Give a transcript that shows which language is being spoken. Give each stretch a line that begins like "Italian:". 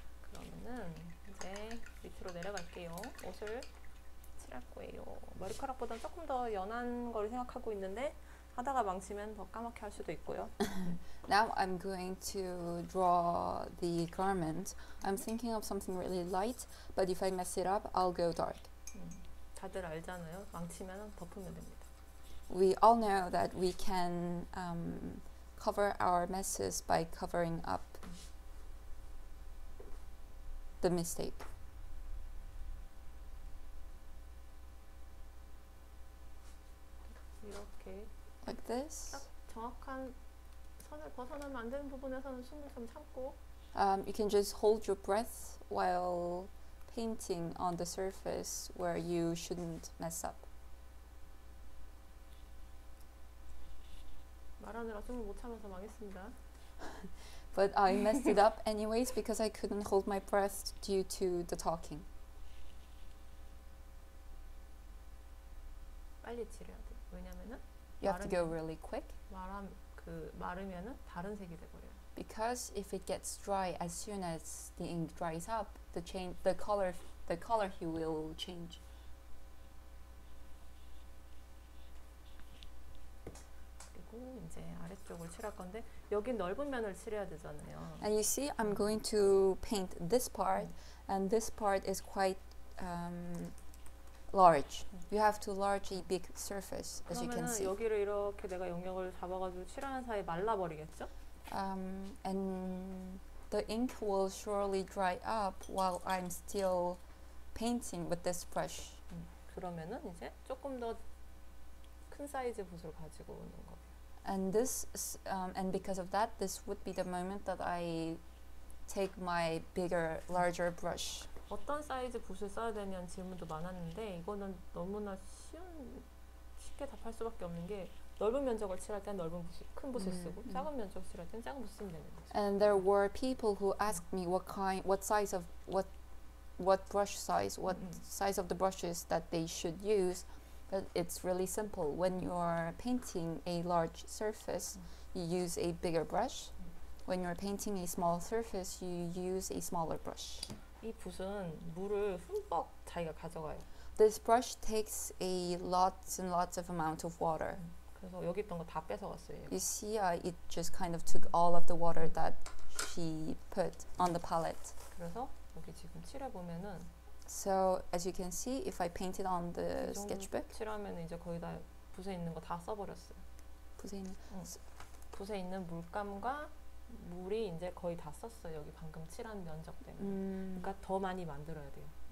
Korean: 그러면은 이제 밑으로 내려갈게요. 옷을 칠할 거예요. 머리카락보단 조금 더 연한 걸 생각하고 있는데 하다가 망치면 더 까맣게 할 수도 있고요.
English: Now I'm going to draw the garment. I'm thinking of something really light, but if I mess it up, I'll go dark.
Korean: 다들 알잖아요. 망치면 덮으면 됩니다.
English: We all know that we can cover our messes by covering up the mistake.
Korean: 이렇게
English: like this.
Korean: 정확한 선을 벗어나면 안 되는 부분에서는 숨을 좀 참고.
English: You can just hold your breath while painting on the surface where you shouldn't mess up.
Korean: 말하느라 숨을 못 참아서 망했습니다.
English: But I messed it up anyways because I couldn't hold my breath due to the talking.
Korean: 빨리 칠해야 돼. 왜냐면은
English: You have to go really quick.
Korean: 마르면은 다른 색이 돼버려요.
English: Because if it gets dry, as soon as the ink dries up, the color hue will change.
Korean: 이제 아래쪽을 칠할 건데 여기 넓은 면을 칠해야 되잖아요.
English: And you see, I'm going to paint this part, and this part is quite large. You have to large a big surface, as you can see.
Korean: 그러면 여기를 이렇게 내가 영역을 잡아가지고 칠하는 사이에 말라버리겠죠?
English: And the ink will surely dry up while I'm still painting with this brush.
Korean: 그러면은 이제 조금 더 큰 사이즈 붓을 가지고 오는 거.
English: And this, and because of that, this would be the moment that I take my bigger, larger brush.
Korean: 어떤 사이즈 붓을 써야 되냐는 질문도 많았는데 이거는 너무나 쉽게 답할 수밖에 없는 게 넓은 면적을 칠할 때는 넓은 붓을 큰 붓을 쓰고 작은 면적 칠할 때는 작은 붓을 쓰면 되는 거죠.
English: And there were people who asked me what size of the brushes that they should use. But it's really simple. When you're painting a large surface, you use a bigger brush. When you're painting a small surface, you use a smaller brush.
Korean: 이 붓은 물을 흠뻑 자기가 가져가요.
English: This brush takes a lots and lots of amount of water.
Korean: 그래서 여기 있던 거 다 뺏어갔어요.
English: You see, it just kind of took all of the water that she put on the palette.
Korean: 그래서 여기 지금 칠해보면은
English: So, as you can see, if I painted on the sketchbook,
Korean: 칠하면 이제 거의 다 붓에 있는 거 다 써버렸어요. 붓에 있는 물감과 물이 이제 거의 다 썼어요. 여기 방금 칠한 면적 때문에. 그러니까 더 많이 만들어야 돼요.